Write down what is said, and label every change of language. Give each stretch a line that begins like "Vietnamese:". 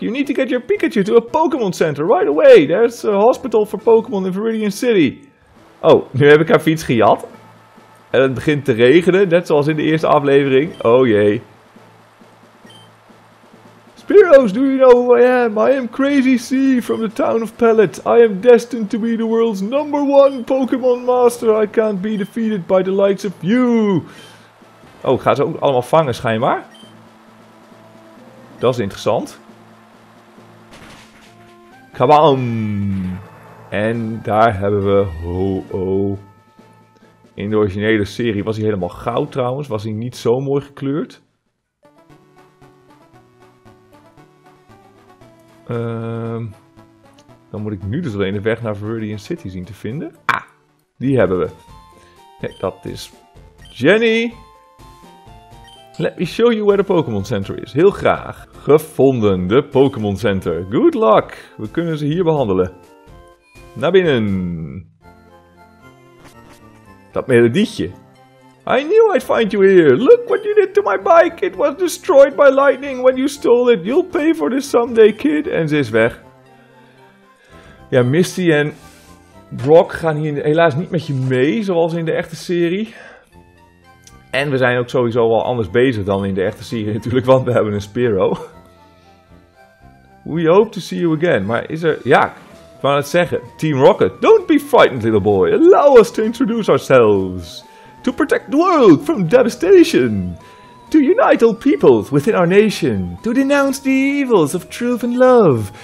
English: You need to get your Pikachu to a Pokémon Center right away. There's a hospital for Pokémon in Viridian City.
Dutch: Oh, nu heb ik haar fiets gejat. En het begint te regenen, net zoals in de eerste aflevering. Oh jee.
English: Spiros, do you know who I am? I am Crazy C from the town of Pallet. I am destined to be the world's number one Pokémon master. I can't be defeated by the likes of you.
Dutch: Oh, ik ga ze ook allemaal vangen schijnbaar. Dat is interessant. Kabam! En daar hebben we Ho-Oh. In de originele serie was hij helemaal goud trouwens. Was hij niet zo mooi gekleurd. Dan moet ik nu dus alleen de weg naar Viridian City zien te vinden. Ah, die hebben we. Dat is Jenny!
English: Let me show you where the Pokémon Center is.
Dutch: Heel graag. Gevonden, de Pokémon Center.
English: Good luck.
Dutch: We kunnen ze hier behandelen. Naar binnen. Dat melodietje.
English: I knew I'd find you here. Look what you did to my bike. It was destroyed by lightning when you stole it. You'll pay for this someday, kid.
Dutch: En ze is weg. Ja, Misty en Brock gaan hier helaas niet met je mee, zoals in de echte serie. En we zijn ook sowieso wel anders bezig dan in de echte serie natuurlijk, want we hebben een Spiro.
English: We hope to see you again,
Dutch: maar is er... Ja, ik wou het zeggen.
English: Team Rocket, don't be frightened, little boy. Allow us to introduce ourselves. To protect the world from devastation. To unite all peoples within our nation. To denounce the evils of truth and love.